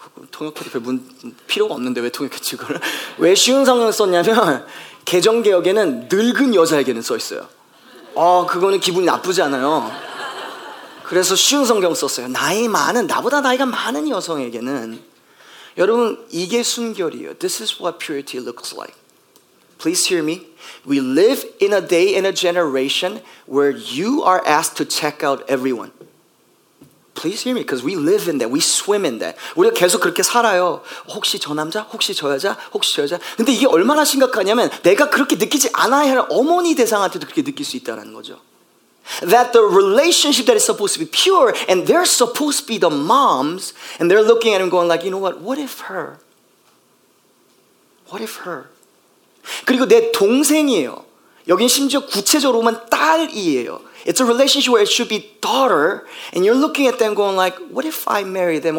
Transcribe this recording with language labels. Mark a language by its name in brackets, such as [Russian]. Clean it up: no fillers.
[Korean] 통역해도 별 필요가 없는데 왜 통역했지 그걸? 왜 쉬운 성경 썼냐면 개정개혁에는 늙은 여자에게는 써있어요. 그거는 기분이 나쁘지 않아요. 그래서 쉬운 성경 썼어요. 나이 많은, 나보다 나이가 많은 여성에게는 여러분 이게 순결이에요. [English] This is what purity looks like. Please hear me. We live in a day and a generation where you are asked to check out everyone. Please hear me, because we live in that. We swim in that. [Korean] 우리가 계속 그렇게 살아요. 혹시 저 남자? 혹시 저 여자? 혹시 저 여자? 근데 이게 얼마나 심각하냐면 내가 그렇게 느끼지 않아야 할 어머니 대상한테도 그렇게 느낄 수 있다는 거죠. [English] That the relationship that is supposed to be pure and they're supposed to be the moms and they're looking at him going like, you know what? What if her? What if her? [Korean] 그리고 내 동생이에요. 여긴 심지어 구체적으로 보면 딸이에요. [English] It's a relationship where it should be daughter and you're looking at them going like, what if I marry them?